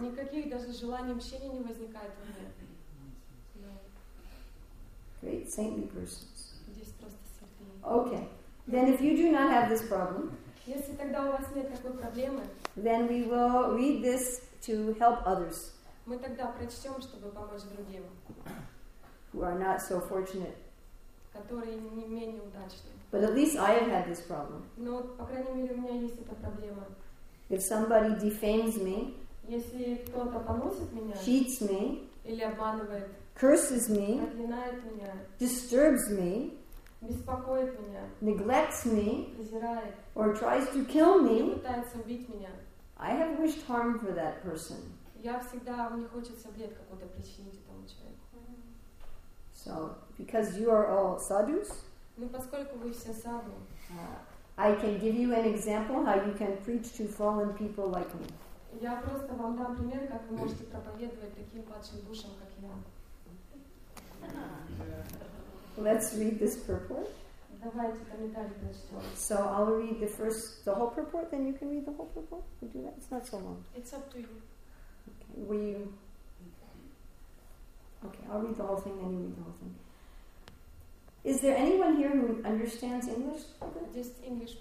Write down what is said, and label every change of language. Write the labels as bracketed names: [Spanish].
[Russian] Никаких даже желаний вообще не возникает в уме. [English] Great saintly persons. [Russian] Здесь просто святые. [English] Okay. Then if you do not have this problem, [Russian] если тогда у вас нет такой проблемы, [English] then we will read this to help others. [Russian] Мы тогда прочтем, чтобы помочь другим. [English] Who are not so fortunate. [Russian] Которые не менее удачны. [English] But at least I have had this problem. [Russian] Но, по крайней мере, у меня есть эта проблема. [English] If somebody defames me, [Russian] если кто-то поносит меня, [English] cheats me, [Russian] или обманывает, [English] curses me, [Russian] проклинает меня, [English] disturbs me, [Russian] беспокоит меня, [English] neglects me, [Russian] презирает, [English] or tries to kill me, [Russian] пытается убить меня, [English] I have wished harm for that person. [Russian] Я всегда, мне хочется вред какой-то причинить этому человеку. [English] So, because you are all sadhus, [Russian] ну, поскольку вы все садху, [English] I can give you an example how you can preach to fallen people like me. [Russian] Я просто вам дам пример, как вы можете проповедовать таким падшим душам, как я. [English] Let's read this purport. [Russian] Давайте комментарий прочтем. [English] So I'll read the first, the whole purport, then you can read the whole purport. We do that. It's not so long. It's up to you. Okay. Will you? Okay, I'll read the whole thing, then you read the whole thing. Is there anyone here who understands English? Just English,